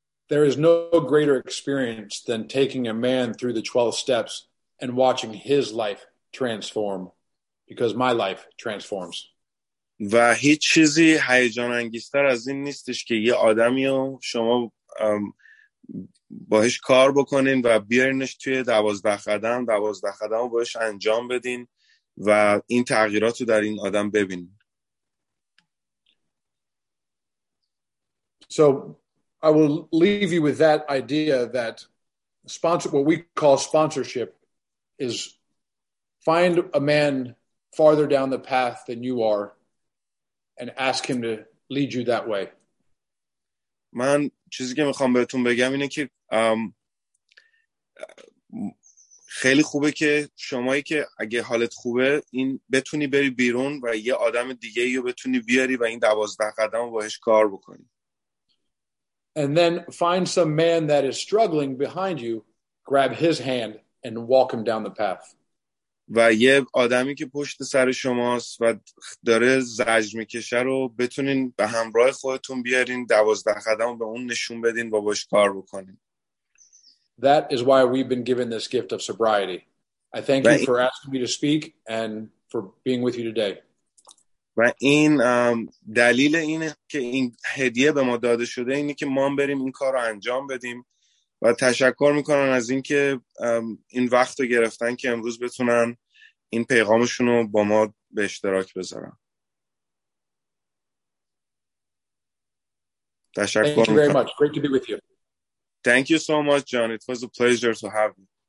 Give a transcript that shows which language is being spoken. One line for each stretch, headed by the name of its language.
English: There is no greater experience than taking a man through the 12 steps and watching his life transform because my life transforms.
Persian: و هیچ چیزی هیجان انگیزتر از این نیستش که یه آدمی رو شما باهش کار بکنین و بیارینش توی 12 قدم رو باهش انجام بدین و این تغییرات رو در این آدم ببینین.
English: So I will leave you with that idea that what we call sponsorship is find a man farther down the path than you are and ask him to lead you that way.
Persian: من چیزی که میخوام بهتون بگم اینه که خیلی خوبه که شمایی که اگه حالت خوبه این بتونی بری بیرون و یه آدم دیگه ای رو بتونی بیاری و این 12 قدم رو باهاش کار بکنی.
English: And then find some man that is struggling behind you, grab his hand and walk him down the path.
Persian: و یه آدمی که پشت سر شماست و داره زجر میکشه رو بتونین به همراه خودتون بیارین، 12 قدم رو به اون نشون بدین و باش کار بکنین.
English: That is why we've been given this gift of sobriety. I thank you for asking me to speak and for being with you today.
Persian: و این دلیل اینه که این هدیه به ما داده شده اینه که ما هم بریم این کار رو انجام بدیم. و تشکر میکنن از اینکه این وقت رو گرفتن که امروز بتونن این پیغامشون رو با ما به اشتراک بذارن. تشکر میکنم.
English: Thank you very much. Great to be with you. Thank you so much, John. It was a pleasure to have you.